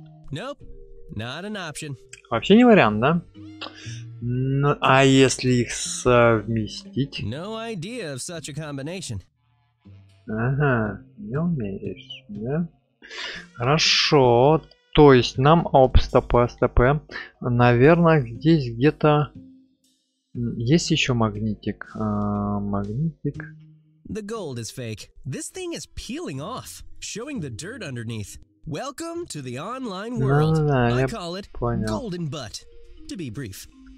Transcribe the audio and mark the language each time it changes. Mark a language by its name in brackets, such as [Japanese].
[English] Nope. Not an option. [Russian] Вообще не вариант, да? Ну, а если их совместить? [English] No idea of such a combination. [Russian] Ага, не умеешь, да? Хорошо, то есть нам стоп. Наверное, здесь где-то есть еще магнитик. [English] Магнитик. The gold is fake. This thing is peeling off, showing the dirt underneath. Welcome to the online world. I call it golden butt, to be brief.